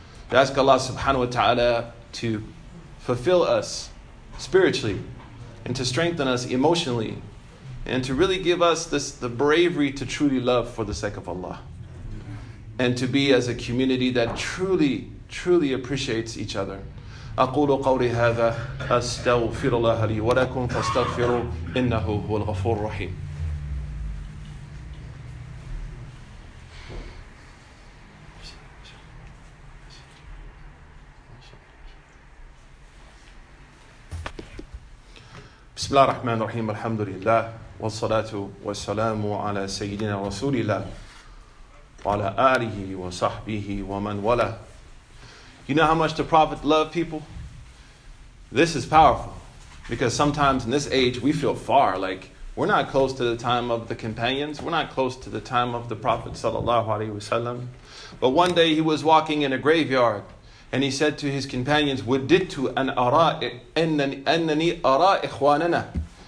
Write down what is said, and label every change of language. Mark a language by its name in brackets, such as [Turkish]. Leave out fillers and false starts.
[English] We ask Allah subhanahu wa ta'ala to fulfill us spiritually and to strengthen us emotionally and to really give us this, the bravery to truly love for the sake of Allah and to be as a community that truly, truly appreciates each other. [Arabic] أقول قولي هذا أستغفر الله لي ولكم فاستغفروا إنه هو الغفور الرحيم. بسم الله الرحمن الرحيم الحمد لله والصلاة والسلام على سيدنا رسول الله وعلى آله وصحبه ومن والاه. [English] You know how much the Prophet loved people? This is powerful. Because sometimes in this age, we feel far. Like, we're not close to the time of the companions. We're not close to the time of the Prophet sallallahu alaihi wasallam. But one day he was walking in a graveyard. And he said to his companions, [Arabic] وَدِدْتُ أَنْ أَرَىٰ أَنَّنِي أَرَىٰ إِخْوَانَنَا.